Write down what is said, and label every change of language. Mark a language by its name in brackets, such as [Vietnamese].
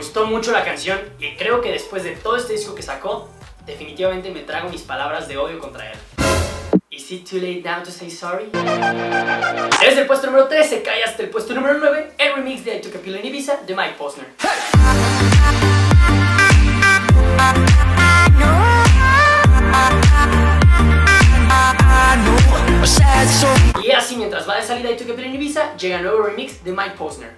[Spanish] Mucho la canción y creo que después de todo este disco que sacó, definitivamente me trago mis palabras de odio contra él. [English] Is it too late now to say sorry? [Spanish] Desde el puesto número 13 cae hasta el puesto número 9 el remix de I Took a Pill in Ibiza de Mike Posner. Y así mientras va de salida I Took a Pill in Ibiza, llega el nuevo remix de Mike Posner.